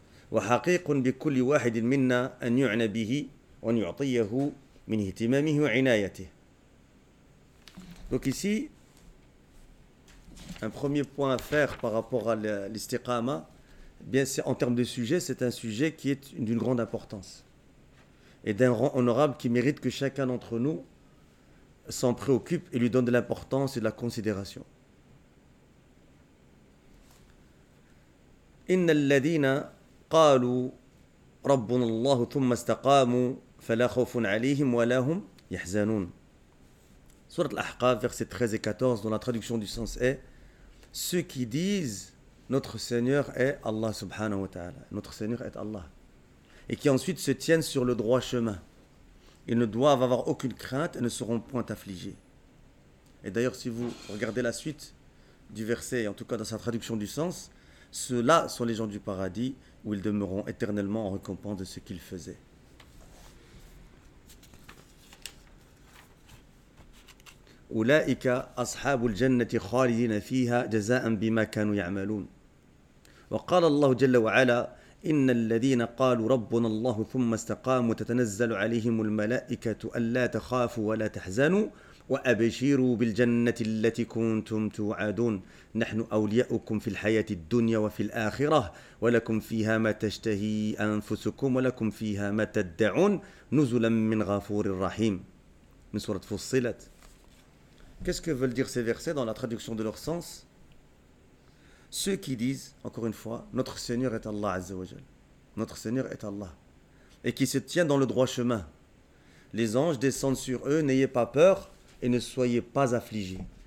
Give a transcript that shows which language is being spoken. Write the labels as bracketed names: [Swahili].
[Arabic] وحقيق بكل واحد منا أن يعنى به وأن يعطيه من اهتمامه وعنايته. [French] Donc ici, un premier point à faire par rapport à l'istiqama, bien c'est en termes de sujet, c'est un sujet qui est d'une grande importance et d'un rang honorable qui mérite que chacun d'entre nous s'en préoccupe et lui donne de l'importance et de la considération. [Arabic] إن الذين قالوا ربنا الله ثم استقاموا فلا خوف عليهم ولا هم يحزنون. [French] Sourate Al-Ahqaf, versets 13 et 14, dont la traduction du sens est: ceux qui disent notre Seigneur est Allah subhanahu wa ta'ala, notre Seigneur est Allah, et qui ensuite se tiennent sur le droit chemin, ils ne doivent avoir aucune crainte et ne seront point affligés. Et d'ailleurs, si vous regardez la suite du verset, en tout cas dans sa traduction du sens, ceux-là sont les gens du paradis où ils demeureront éternellement en récompense de ce qu'ils faisaient. [Arabic] أولئك أصحاب الجنة خالدين فيها جزاء بما كانوا يعملون. وقال الله جل وعلا: إن الذين قالوا ربنا الله ثم استقاموا تتنزل عليهم الملائكة ألا تخافوا ولا تحزنوا وأبشروا بالجنة التي كنتم توعدون نحن أولياؤكم في الحياة الدنيا وفي الآخرة ولكم فيها ما تشتهي أنفسكم ولكم فيها ما تدعون نزلا من غفور رحيم. من سورة فصلت. [French] Qu'est-ce que veulent dire ces versets dans la traduction de leur sens? Ceux qui disent, encore une fois, notre Seigneur est Allah Azza wa Jal. Notre Seigneur est Allah. Et qui se tient dans le droit chemin. Les anges descendent sur eux, n'ayez pas peur et ne soyez pas affligés.